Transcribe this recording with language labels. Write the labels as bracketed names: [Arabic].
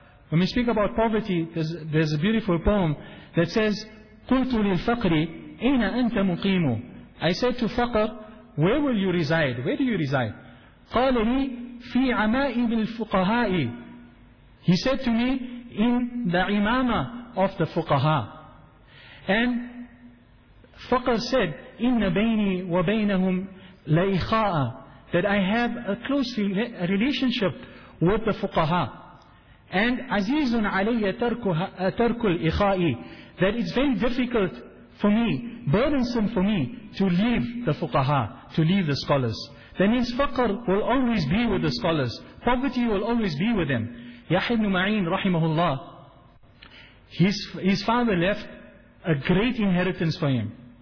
[English] When we speak about poverty, there's a beautiful poem that says, [Arabic] قُلْتُ لِلْفَقْرِ أَيْنَ أَنْتَ مُقِيمُ. [English] I said to faqr, where will you reside? Where do you reside? [Arabic] قَالَ لِي فِي عَمَائِمِ الْفُقَهَاءِ. [English] He said to me, in the imama of the fuqaha. And faqr said, [Arabic] إِنَّ بَيْنِي وَبَيْنَهُمْ لَإِخَاءَ. [English] That I have a close relationship with the fuqaha. And [Arabic] عَزِيزٌ عَلَيَّ تَرْكُ الْإِخَاءِ. [English] That it's very difficult for me, burdensome for me, to leave the fuqaha, to leave the scholars. That means faqr will always be with the scholars. Poverty will always be with them. Yahya ibn Ma'in rahimahullah, his father left a great inheritance for him.